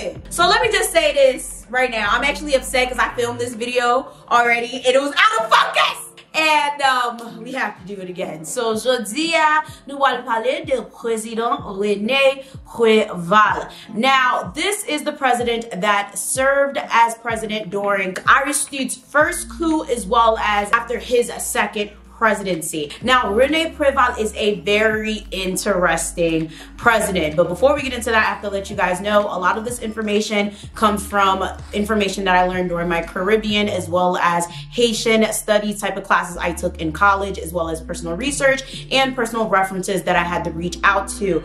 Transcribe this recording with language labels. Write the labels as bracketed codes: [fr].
[en] So let me just say this right now. I'm actually upset because I filmed this video already and it was out of focus. And we have to do it again. [fr] So Jodia, nous allons parler de président Rene Preval. [en] Now, this is the president that served as president during Aristide's first coup as well as after his second presidency. Now, Rene Preval is a very interesting president. But before we get into that, I have to let you guys know a lot of this information comes from information that I learned during my Caribbean as well as Haitian studies type of classes I took in college, as well as personal research and personal references that I had to reach out to.